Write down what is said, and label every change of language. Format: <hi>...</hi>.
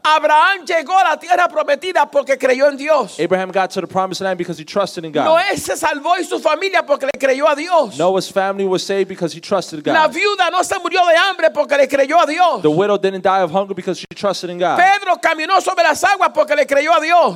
<es>Abraham llegó a la tierra prometida porque creyó en Dios.</es> <en>Abraham got to the promised land because he trusted in God.</en> <es>Noé se salvó y su familia porque le creyó a Dios.</es> <en>Noah's family was saved because he trusted God.</en> <es>La viuda no se murió de hambre porque le creyó a Dios.</es> <en>The widow didn't die of hunger because she trusted in God.</en> <es>Pedro caminó sobre las aguas porque le creyó a Dios.</es>